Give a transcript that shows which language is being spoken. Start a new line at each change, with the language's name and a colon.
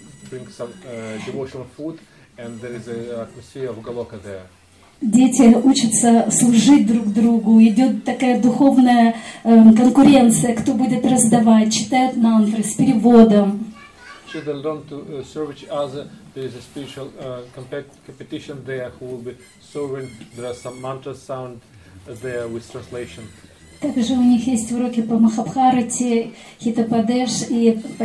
English: Bring some devotional food, and there is an atmosphere of Галока there.
Russian: Дети учатся служить друг другу. Идет такая духовная конкуренция, кто будет раздавать, читает мантры с переводом.
English: Children learn to serve each other. There is a spiritual competition there. Who will be serving? There are some mantras sound there with translation.
Russian: Также у них есть уроки по Махабхарате, Хитопадеш и